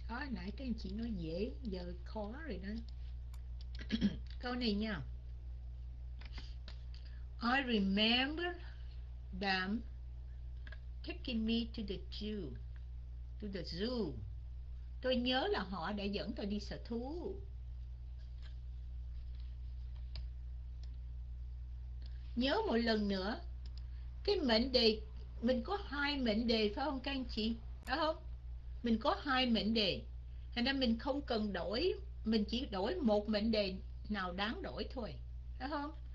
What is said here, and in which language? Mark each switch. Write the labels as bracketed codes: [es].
[vi] Nãy các anh chị nói dễ, giờ khó rồi đó. Câu này nha. [en] I remember them taking me to the zoo. To the zoo. [vi] Tôi nhớ là họ đã dẫn tôi đi sở thú. Nhớ một lần nữa, cái mệnh đề, mình có hai mệnh đề phải không các anh chị? Phải không? Mình có hai mệnh đề. Thế nên mình không cần đổi, mình chỉ đổi một mệnh đề nào đáng đổi thôi. Phải không?